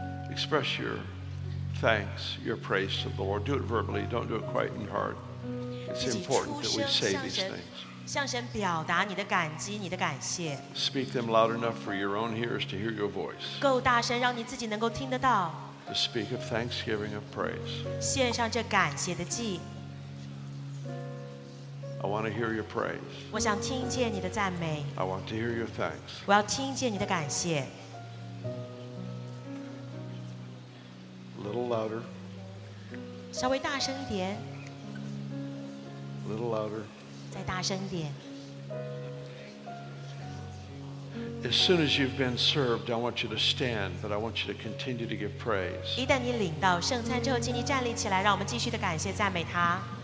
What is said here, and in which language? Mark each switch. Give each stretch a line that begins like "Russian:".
English: Express your thanks, your praise to the Lord. Do it verbally. Don't do it quiet in your heart. It's important that we say these things.
Chinese: 向神表达你的感激，你的感谢。
English: Speak them loud enough for your own ears to hear your voice.
Chinese: 够大声，让你自己能够听得到。
English: To speak of thanksgiving of praise.
Chinese: 献上这感谢的祭。
English: I want to hear your praise.
Chinese: 我想听见你的赞美。
English: I want to hear your thanks.
Chinese: 我要听见你的感谢。
English: A little louder.
Chinese: 稍微大声一点。
English: little louder.
Chinese: 再大声一点。
English: As soon as you've been served, I want you to stand, but I want you to continue to give praise.
Chinese: 一旦你领到圣餐之后，请你站立起来，让我们继续的感谢赞美他。